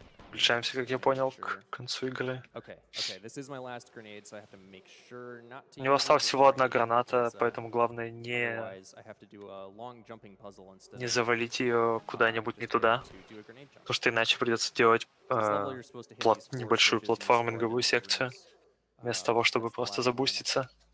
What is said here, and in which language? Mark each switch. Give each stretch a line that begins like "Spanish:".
Russian: Приближаемся, как я понял, к концу игры.
English: Okay, this is my last grenade, so I have to make sure not to.
Russian: У него осталась всего одна граната, поэтому главное не.
English: I have to do a long jumping puzzle instead.
Russian: Не завалить ее куда-нибудь не туда, потому что иначе придется делать небольшую платформинговую секцию вместо того, чтобы просто забуститься.